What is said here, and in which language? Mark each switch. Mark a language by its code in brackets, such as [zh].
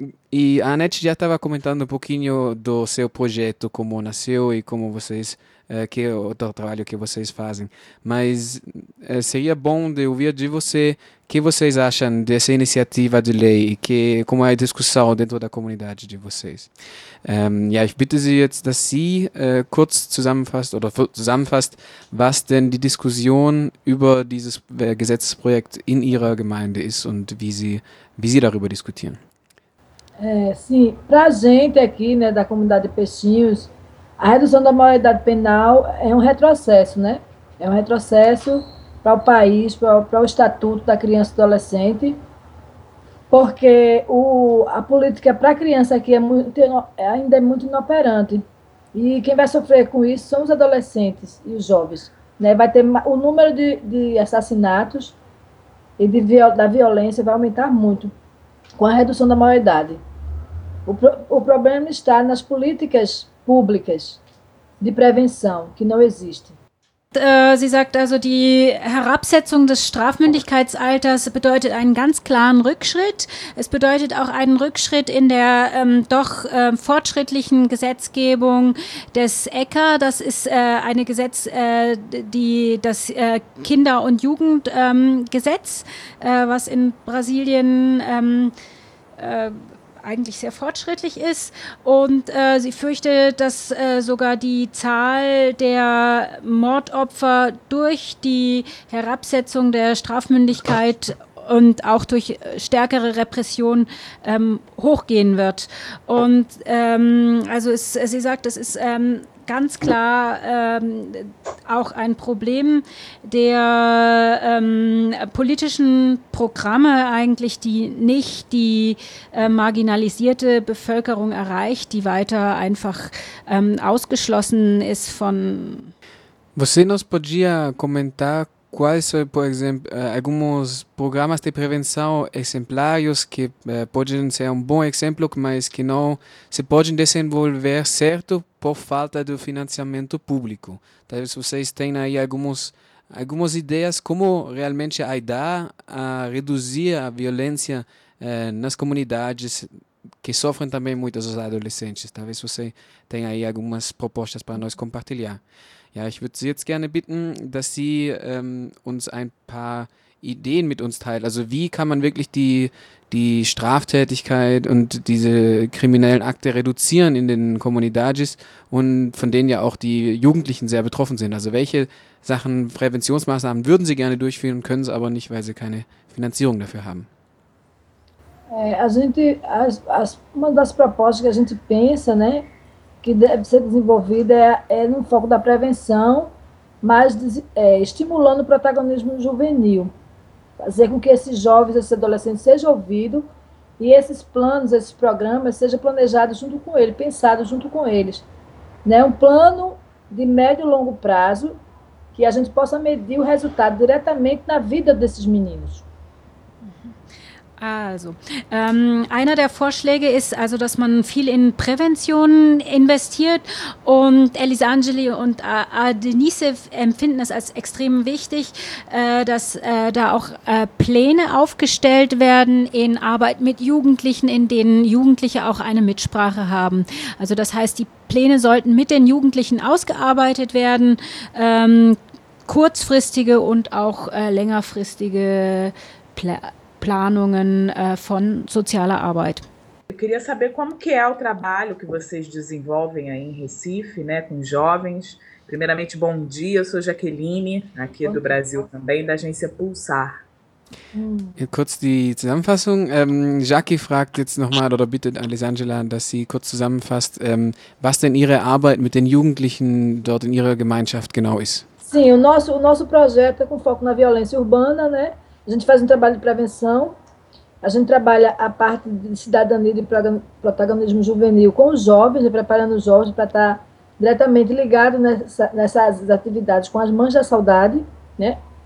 [pt] E a Anete já estava comentando um pouquinho do seu projeto, como nasceu e como vocês, que é o trabalho que vocês fazem. Mas seria bom de ouvir de você o que vocês acham dessa iniciativa de lei e que como é a discussão dentro da comunidade de vocês. [de] Ja, ich bitte Sie jetzt, dass Sie kurz zusammenfasst oder zusammenfasst, was denn die Diskussion über dieses Gesetzesprojekt in Ihrer Gemeinde ist und wie Sie darüber diskutieren. [pt] Sim, para a gente aqui, né, da comunidade Peixinhos, a redução da maioridade penal é um retrocesso, né? É um retrocesso para o país, para o Estatuto da Criança e do Adolescente, porque a política para a criança aqui ainda é muito inoperante. E quem vai sofrer com isso são os adolescentes e os jovens, né? Vai ter o número de assassinatos e da violência vai aumentar muito com a redução da maioridade. O problema está nas políticas públicas de prevenção, que não existem. [de] Sie sagt also, die Herabsetzung des Strafmündigkeitsalters bedeutet einen ganz klaren Rückschritt. Es bedeutet auch einen Rückschritt in der fortschrittlichen Gesetzgebung des ECCA. Das ist eine Gesetz, das Kinder- und Jugendgesetz, was in Brasilien eigentlich sehr fortschrittlich ist und sie fürchtet, dass sogar die Zahl der Mordopfer durch die Herabsetzung der Strafmündigkeit und auch durch stärkere Repression hochgehen wird. Und also es, sie sagt, das ist ganz klar auch ein Problem der politischen Programme eigentlich, die nicht die marginalisierte Bevölkerung erreicht, die weiter einfach ausgeschlossen ist von... [pt] Você nos podia comentar quais são, por exemplo, alguns programas de prevenção exemplares que podem ser um bom exemplo, mas que não se podem desenvolver certo por falta do financiamento público. Talvez vocês tenham aí algumas ideias como realmente ajudar a reduzir a violência nas comunidades que sofrem também muitos os adolescentes. Talvez você tenha aí algumas propostas para nós compartilhar. [de] Ja, ich würde Sie jetzt gerne bitten, dass Sie uns ein paar Ideen mit uns teilen. Also wie kann man wirklich die Straftätigkeit und diese kriminellen Akte reduzieren in den Comunidades und von denen ja auch die Jugendlichen sehr betroffen sind. Also welche Sachen, Präventionsmaßnahmen würden Sie gerne durchführen, können Sie aber nicht, weil Sie keine Finanzierung dafür haben? [pt] Uma das propostas que a gente pensa, né, que deve ser desenvolvida é no foco da prevenção, mas estimulando o protagonismo juvenil, fazer com que esses jovens, esses adolescentes sejam ouvidos e esses planos, esses programas sejam planejados junto com eles, pensados junto com eles. Né? Um plano de médio e longo prazo que a gente possa medir o resultado diretamente na vida desses meninos. [de] Also, einer der Vorschläge ist also, dass man viel in Prävention investiert und Elisangeli und Denise empfinden es als extrem wichtig, dass da auch Pläne aufgestellt werden in Arbeit mit Jugendlichen, in denen Jugendliche auch eine Mitsprache haben. Also das heißt, die Pläne sollten mit den Jugendlichen ausgearbeitet werden, kurzfristige und auch längerfristige Planungen von sozialer Arbeit. [pt] Eu queria saber como que é o trabalho que vocês desenvolvem aí em Recife, né, com jovens. Primeiramente, bom dia, eu sou Jaqueline, aqui do Brasil também, da agência Pulsar. [de] Kurz die Zusammenfassung. Jackie fragt jetzt nochmal oder bittet Alessandra, dass sie kurz zusammenfasst, was denn ihre Arbeit mit den Jugendlichen dort in ihrer Gemeinschaft genau ist. [pt] Sim, o nosso projeto é com foco na violência urbana, né? A gente faz um trabalho de prevenção, a gente trabalha a parte de cidadania e protagonismo juvenil com os jovens, preparando os jovens para estar diretamente ligado nessas atividades com as Mães da Saudade. Né?